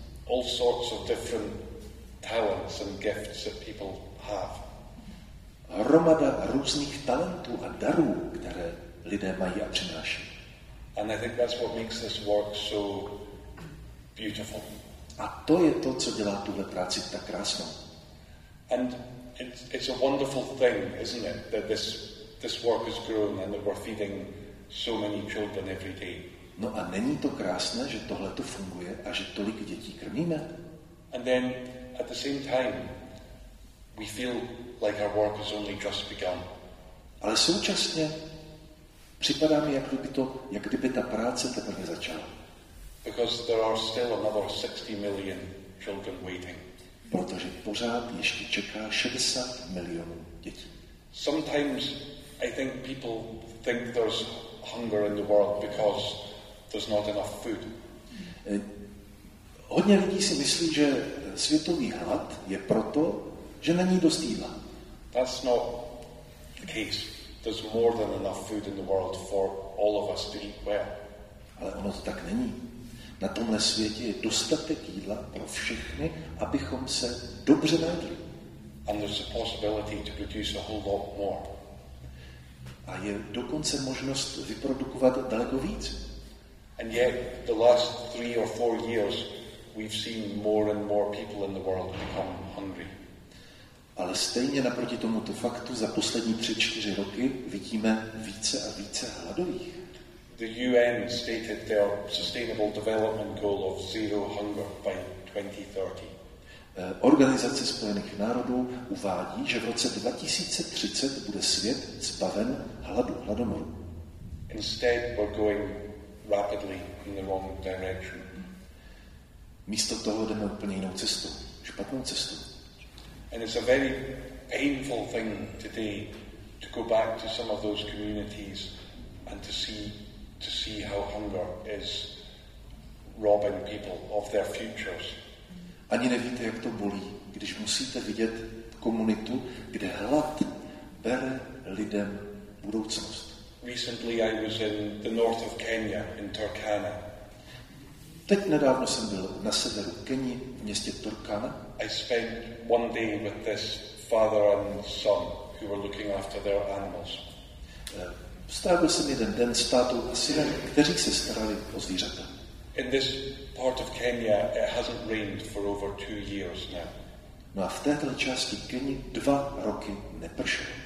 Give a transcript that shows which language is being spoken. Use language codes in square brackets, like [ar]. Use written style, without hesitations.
[en] All sorts of different talents and gifts that people have. [cs] Hromada různých talentů a darů, které lidé mají a přináší. [en] And I think that's what makes this work so beautiful. [cs] A to je to, co dělá tuhle práci tak krásnou. [en] And it's a wonderful thing, isn't it, that this work is growing and that we're feeding so many children every day. [cs] No a není to krásné, že tohle to funguje a že tolik dětí krmíme? [en] And then at the same time we feel like our work has only just begun. [cs] Ale současně připadá mi, jak kdyby ta práce teprve začala. [en] Because there are still another 60 million children waiting. [cs] Protože pořád ještě čeká 60 milionů dětí. [en] Sometimes I think people think there's hunger in the world because there's not enough food. [cs] Hodně lidí si myslí, že světový hlad je proto, že není dost jídla. [en] That's not the case. There's more than enough food in the world for all of us to eat well. [cs] Ale ono to tak není. Na tomhle světě je dostatek jídla pro všechny, abychom se dobře najedli. [en] And there's a possibility to produce a whole lot more. [cs] A je dokonce možnost vyprodukovat daleko víc. [en] And yet the last 3 or 4 years we've seen more and more people in the world become hungry. Ondry. [cs] Ale stejně naproti tomuto faktu za poslední 3-4 roky vidíme více a více hladových. [en] The UN stated their sustainable development goal of zero hunger by 2030. [cs] Organizace Spojených národů uvádí, že v roce 2030 bude svět zbaven hladu, hladomoru. [en] Instead, we're going rapidly in the wrong direction. [cs] Místo toho jdeme úplně jinou cestou, špatnou cestou. [en] And it's a very painful thing today to go back to some of those communities and to see how hunger is robbing people of their futures. [cs] Ani nevíte, jak to bolí, když musíte vidět komunitu, kde hlad bere lidem budoucnost. [en] Recently I was in the north of Kenya in Turkana. [cs] Teď nedávno jsem byl na severu Keni v městě Turkana. [en] I spent one day with this father and son who were looking after their animals. [cs] Strávil jsem jeden den s tátou a synem, kteří se starali o zvířata. [en] In this part of Kenya it hasn't rained for over 2 years now. [cs] No a v této části Keni 2 roky nepršelo.